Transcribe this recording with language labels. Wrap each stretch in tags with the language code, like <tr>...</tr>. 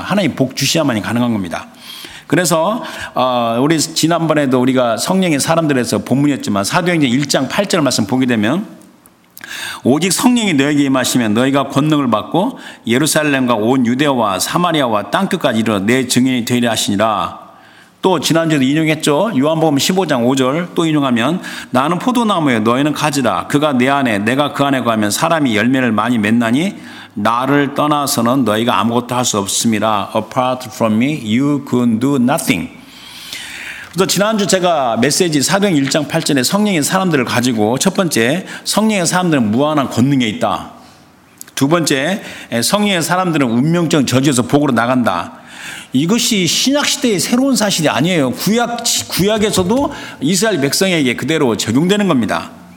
<ko>하나님 복 주셔야만이 가능한 겁니다. 그래서 우리 지난번에도 우리가 성령의 사람들에서 본문이었지만 사도행전 1장 8절 말씀 보게 되면 오직 성령이 너에게 임하시면 너희가 권능을 받고 예루살렘과 온 유대와 사마리아와 땅끝까지 이르러 내 증인이 되리라 하시니라. 또 지난주에도 인용했죠. 요한복음 15장 5절 또 인용하면 나는 포도나무에 너희는 가지라 그가 내 안에 내가 그 안에 가면 사람이 열매를 많이 맺나니 나를 떠나서는 너희가 아무것도 할 수 없습니다.</ko> <en>Apart from me, you can do nothing.</en> <ko>그래서 지난주 제가 메시지 사도행 1장 8절에 성령의 사람들을 가지고 첫 번째 성령의 사람들은 무한한 권능에 있다. 두 번째 성령의 사람들은 운명적 저지에서 복으로 나간다. 이것이 신약시대의 새로운 사실이 아니에요. 구약에서도 이스라엘 백성에게 그대로 적용되는 겁니다.</ko>